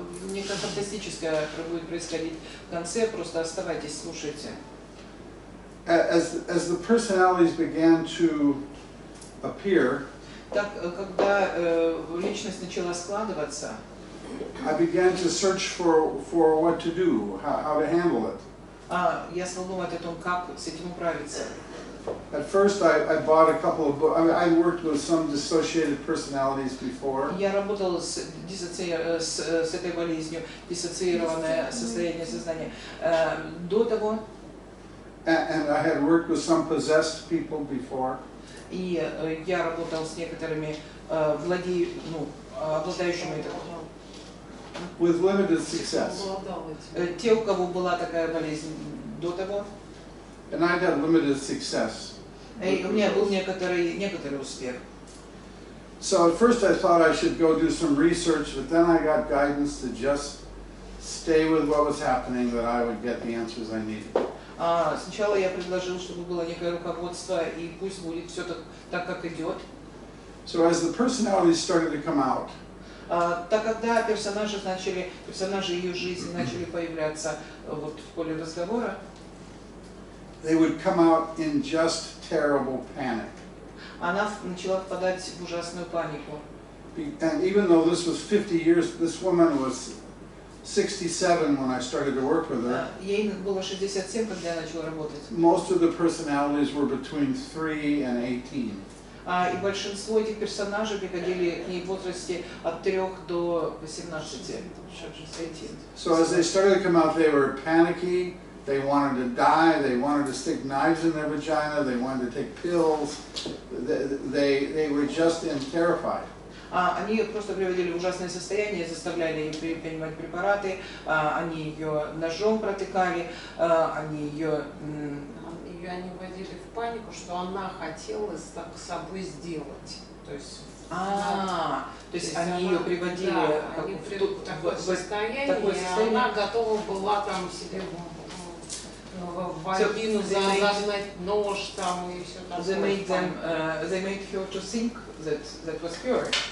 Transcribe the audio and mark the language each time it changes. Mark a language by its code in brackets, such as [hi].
[ru] Нечто фантастическое будет происходить в конце. Просто оставайтесь, слушайте. [en] As the personalities began to appear, [ru] так когда личность начала складываться, [en] I began to search for what to do, how to handle it. [ru] Я стал думать о том, как с этим управиться. [en] At first, I bought a couple of books. I worked with some dissociated personalities before. [ru] Я работал с этой болезнью, диссоциированное состояние сознания до того. [en] And I had worked with some possessed people before. [ru] И я работал с некоторыми обладающими этой. [en] With limited success. [ru] Те, у кого была такая болезнь до того. [en] And I had limited success. [ru] У меня был некоторый успех. [en] So at first I thought I should go do some research, but then I got guidance to just stay with what was happening, that I would get the answers I needed. [ru] Сначала я предложил, чтобы было некое руководство, и пусть будет все так, как идет. [en] So as the personalities started to come out, [ru] так когда персонажи ее жизни начали появляться вот в поле разговора, [en] they would come out in just terrible panic. [ru] Она начала впадать в ужасную панику. [en] And even though this was 50 years, this woman was 67 when I started to work with her. [ru] Ей было 67, когда я начала работать. [en] Most of the personalities were between 3 and 18. [ru] И большинство этих персонажей приходили к ней в возрасте от 3 до 18. [en] So as they started to come out, they were panicky. They wanted to die. They wanted to stick knives in their vagina. They wanted to take pills. They were just in terrified. [ru] Они ее просто приводили в ужасное состояние, заставляли ее принимать препараты, они ее ножом протыкали, они ее... Ее они вводили в панику, что она хотела так с собой сделать. То есть, то есть они ее приводили в такое состояние, и она готова была там себе вводить, зажать нож там и все такое. [en] They made her to think that was her.